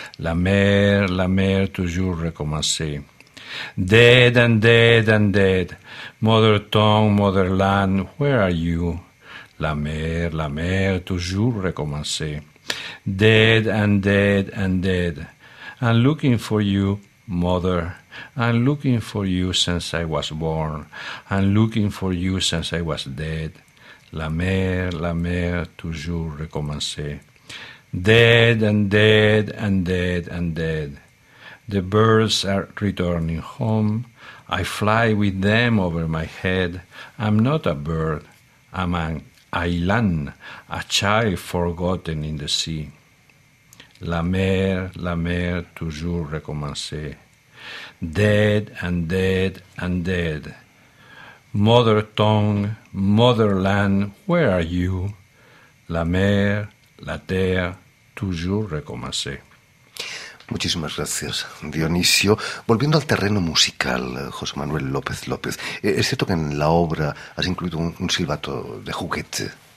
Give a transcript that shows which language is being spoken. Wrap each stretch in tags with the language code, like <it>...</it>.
<fr>La mer, toujours recommencer.</fr> <en>Dead and dead and dead. Mother tongue, motherland, where are you?</en> <fr>La mer, toujours recommencer.</fr> <en>Dead and dead and dead. I'm looking for you, mother. I'm looking for you since I was born. I'm looking for you since I was dead.</en> <fr>La mer, toujours recommencer.</fr> <en>Dead and dead and dead and dead. The birds are returning home. I fly with them over my head. I'm not a bird. I'm an island, a child forgotten in the sea.</en> <fr>La mer, toujours recommencer.</fr> <en>Dead and dead and dead. Mother tongue, motherland, where are you?</en> <fr>La mer, la terre, toujours recommencer.</fr> <es>Muchísimas gracias, Dionisio. Volviendo al terreno musical, José Manuel López López, es cierto que en la obra has incluido un silbato de juguete.</es>